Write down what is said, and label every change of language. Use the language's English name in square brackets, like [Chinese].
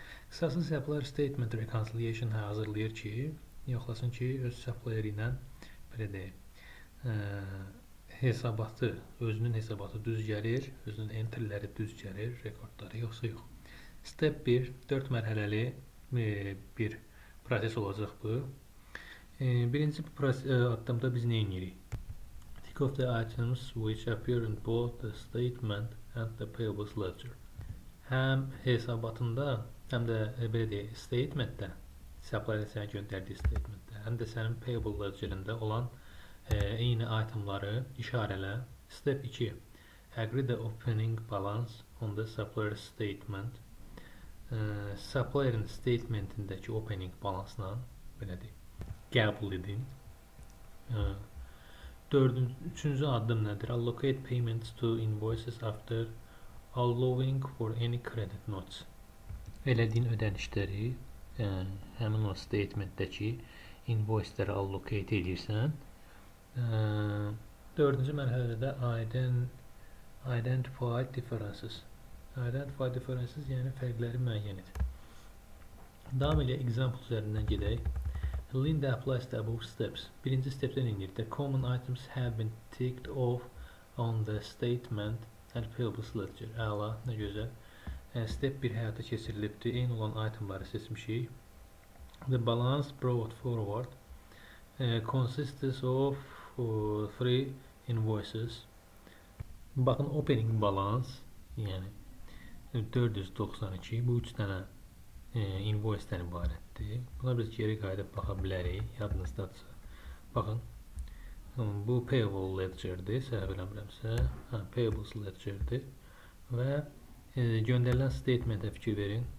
[Azerbaijani] Qısası supplier statement reconciliation hazırlayır ki, yoxlasın ki öz supplier ilə belə deyə hesabatı, özünün hesabatı düz gəlir, özünün entry-ləri düz gəlir, rekordları yoxsa yox. Step 1, 4 mərhələli bir proses olacaq bu. Birinci addımda biz ne edirik? [English] Tick off the items which appear in both the statement and the payables ledger. [Azerbaijani] Həm hesabatında, həm də belə deyək, statementdə, supplier sənə göndərdiyi statementdə, həm də sənin payable ledgerində olan eyni itemları işarələ. [English] Step 2. Agree the opening balance on the supplier statement. [Azerbaijani] Supplier'in statementindəki opening balansla belə deyək. Qəbul edin. Üçüncü addım nədir? [English] Allocate payments to invoices after allowing for any credit notes. [Azerbaijani] Elədiyin ödənişləri həmin o statementdəki invoice-ləri allocate edirsən. Dördüncü mərhələdə də [English] identify differences. Identify differences [Azerbaijani] yəni fərqləri müəyyən et. Davam edək, example üzərindən gedək. [English] Linda applies the above steps. [Azerbaijani] Birinci stepdən inir. [English] The common items have been ticked off on the statement and payables ledger. [Azerbaijani] Əla, nə gözəl. Step 1 həyata keçirilibdir. Eyni olan itemları seçmişik. [English] The balance brought forward consists of three invoices. [Azerbaijani] Baxın, opening balance, yəni 492, bu 3 dənə invoice-dən ibarət. Buna biz geri qayıdıb baxa bilərik, yadınızdadırsa. Baxın, bu payable ledger-dir, səhv eləmirəmsə, payables ledger-dir və göndərilən statement-ə fikir verin.